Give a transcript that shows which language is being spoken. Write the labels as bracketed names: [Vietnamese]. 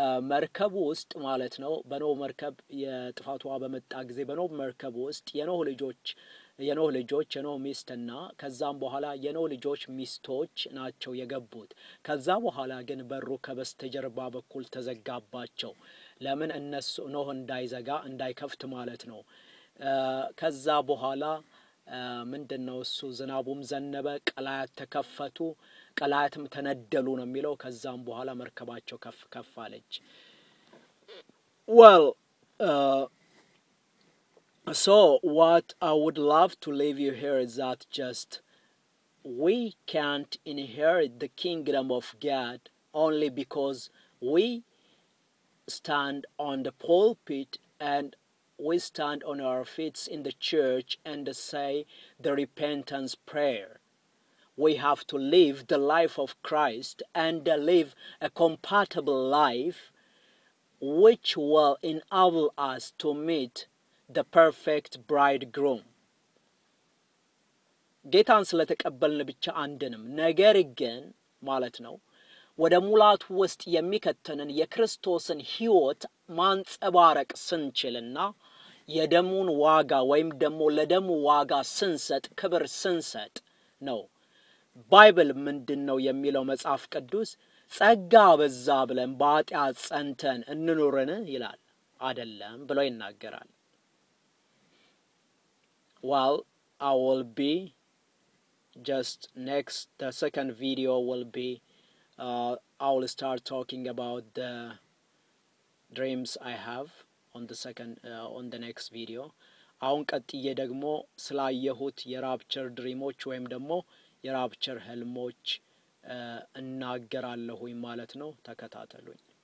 [Amharic] መርከብ ውስጥ ማለት ነው። በኖህ መርከብ የጥፋቷ በመጣ ጊዜ በኖህ መርከብ ውስጥ የኖህ ልጆች የኖህ ሚስትና ከዛም በኋላ የኖህ ልጆች ሚስቶች ናቸው የገቡት። ከዛ በኋላ ግን በሩ ከበስተጀርባ በኩል ተዘጋባቸው። ለምን? እነሱ ኖህ እንዳይከፍት ማለት ነው። ከዛ በኋላ ምንድነው እሱ ዝናቡም ዘነበ፣ ቀላያት ተከፈቱ፣ ቀላያትም ተነደሉ ነው የሚለው። ከዛም በኋላ መርከባቸው ከፍ ከፍ አለች። Well, [English] so what I would love to leave you here is that just we can't inherit the kingdom of God only because we stand on the pulpit and we stand on our feet in the church and say the repentance prayer. We have to live the life of Christ and live a compatible life which will enable us to meet the perfect bridegroom. [Amharic] ጌታን ስለተቀበልን ብቻ አንድንም ነገር ግን ማለት ነው ወደ ሙላቱ ውስጥ የሚከተነን የክርስቶስን ህይወት ማንጸባረቅ ስንችልና የደሙን ዋጋ ወይም ደሙ ለደሙ ዋጋ ስንሰጥ ክብር ስንሰጥ ነው። ባይብል ምንድነው የሚለው? መጽሐፍ ቅዱስ ጸጋ በዛ ብለን ባጢያ ጸንተን እንኖርን ይላል አይደለም ብሎ ይናገራል። [English] Well, I will be just next, the second video will be I will start talking about the dreams I have on the next video. [Amharic] አሁን ቀጥዬ ደግሞ ስላየሁት የራፕቸር ድሪሞች ወይም ደግሞ የራፕቸር ህልሞች እናገራለሁ ማለት ነው። ተከታተሉኝ።